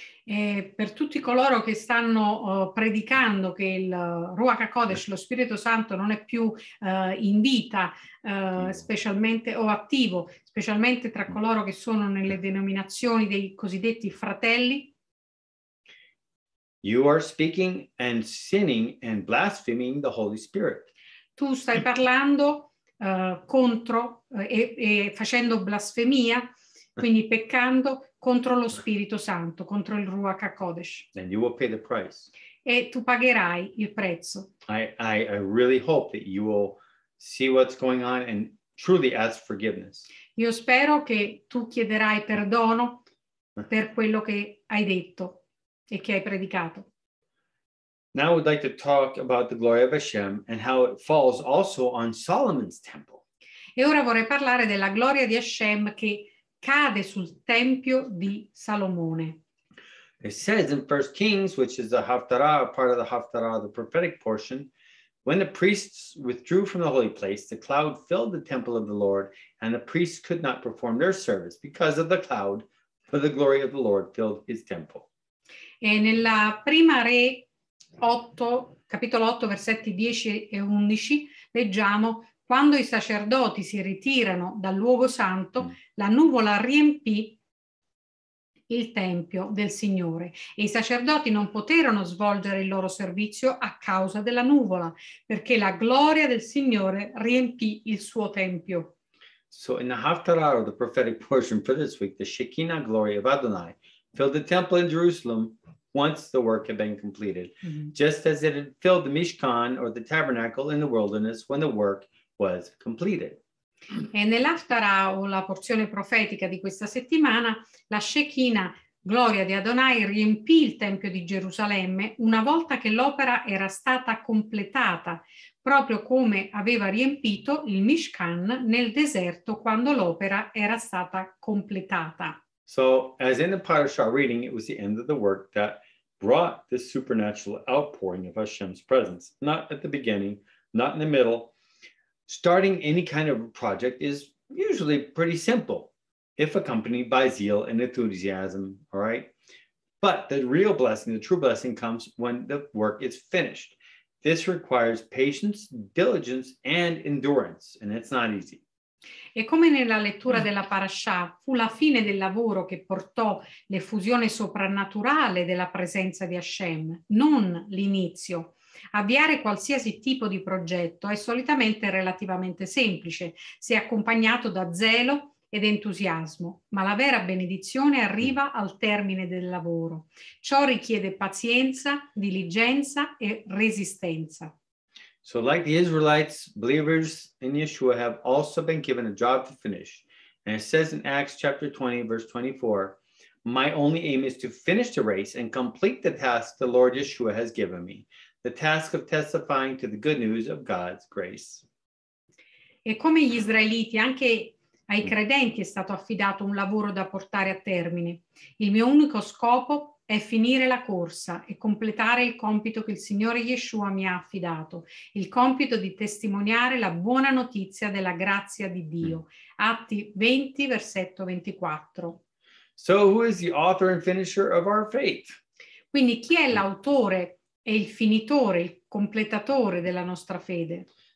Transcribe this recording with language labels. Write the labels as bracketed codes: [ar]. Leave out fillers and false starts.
[it] E per tutti coloro che stanno predicando che il Ruach HaKodesh, lo Spirito Santo, non è più in vita, specialmente o attivo, specialmente tra coloro che sono nelle denominazioni dei cosiddetti fratelli. [en] You are speaking and sinning and blaspheming the Holy Spirit. [it] Tu stai parlando contro e facendo blasfemia, quindi peccando contro lo Spirito Santo, contro il Ruach HaKodesh. [en] And you will pay the price. [it] E tu pagherai il prezzo. [en] I really hope that you will see what's going on and truly ask forgiveness. [it] Io spero che tu chiederai perdono per quello che hai detto e che hai predicato. [en] Now I would like to talk about the glory of Hashem and how it falls also on Solomon's temple. [it] E ora vorrei parlare della gloria di Hashem che cade sul tempio di Salomone. [en] It says in 1 Kings, which is the Haftarah, part of the Haftarah, the prophetic portion, when the priests withdrew from the holy place, the cloud filled the temple of the Lord, and the priests could not perform their service because of the cloud, for the glory of the Lord filled his temple. [it] E nella prima Re 8, capitolo 8, versetti 10 e 11, leggiamo: quando i sacerdoti si ritirano dal luogo santo, la nuvola riempì il tempio del Signore. E i sacerdoti non poterono svolgere il loro servizio a causa della nuvola, perché la gloria del Signore riempì il suo tempio. [en] So in the Haftarah, the prophetic portion for this week, the Shekinah glory of Adonai filled the temple in Jerusalem once the work had been completed, just as it had filled the Mishkan, or the tabernacle in the wilderness, when the work was completed. [it] E nell'Haftarah, o la porzione profetica di questa settimana, la Shekinah, gloria di Adonai, riempì il Tempio di Gerusalemme una volta che l'opera era stata completata, proprio come aveva riempito il Mishkan nel deserto quando l'opera era stata completata. [en] So, as in the Parashah reading, it was the end of the work that brought the supernatural outpouring of Hashem's presence, not at the beginning, not in the middle. Starting any kind of project is usually pretty simple, if accompanied by zeal and enthusiasm, all right? But the real blessing, the true blessing, comes when the work is finished. This requires patience, diligence, and endurance, and it's not easy. [it] E come nella lettura della Parashà, fu la fine del lavoro che portò l'effusione soprannaturale della presenza di Hashem, non l'inizio. Avviare qualsiasi tipo di progetto è solitamente relativamente semplice, se accompagnato da zelo ed entusiasmo, ma la vera benedizione arriva al termine del lavoro. Ciò richiede pazienza, diligenza e resistenza. [en] So like the Israelites, believers in Yeshua have also been given a job to finish. And it says in Acts chapter 20, verse 24, my only aim is to finish the race and complete the task the Lord Yeshua has given me, the task of testifying to the good news of God's grace. [it] E come gli Israeliti, anche ai credenti è stato affidato un lavoro da portare a termine. Il mio unico scopo è finire la corsa e completare il compito che il Signore Yeshua mi ha affidato, il compito di testimoniare la buona notizia della grazia di Dio. Atti 20, versetto 24. [en] So who is the author and finisher of our faith? [it] Quindi chi è l'autore e il finitore, il completatore della nostra fede?